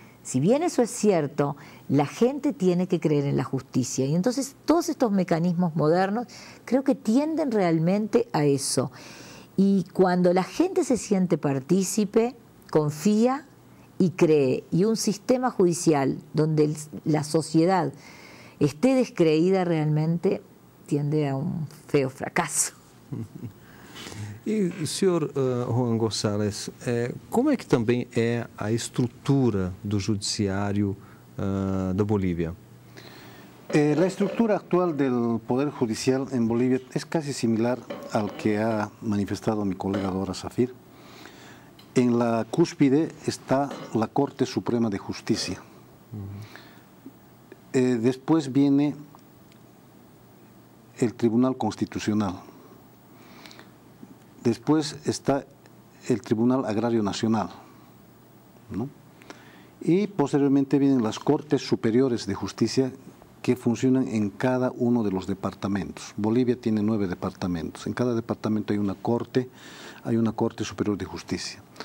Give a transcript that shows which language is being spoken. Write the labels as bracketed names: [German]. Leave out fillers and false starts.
[Spanish] Si bien eso es cierto, la gente tiene que creer en la justicia. Y entonces todos estos mecanismos modernos creo que tienden realmente a eso. Y cuando la gente se siente partícipe, confía y cree, y un sistema judicial donde la sociedad esté descreída realmente, tiende a un feo fracaso. [Portuguese] E, senhor Juan González, como é que também é a estrutura do judiciário da Bolívia? A estrutura atual do Poder Judicial em Bolívia é quase similar ao que ha manifestado meu colega Dora Safir. Em la cúspide está a Corte Suprema de Justiça. Depois vem o Tribunal Constitucional. [Spanish] Después está el Tribunal Agrario Nacional, ¿no? Y posteriormente vienen las Cortes Superiores de Justicia que funcionan en cada uno de los departamentos. Bolivia tiene 9 departamentos. En cada departamento hay una Corte Superior de Justicia.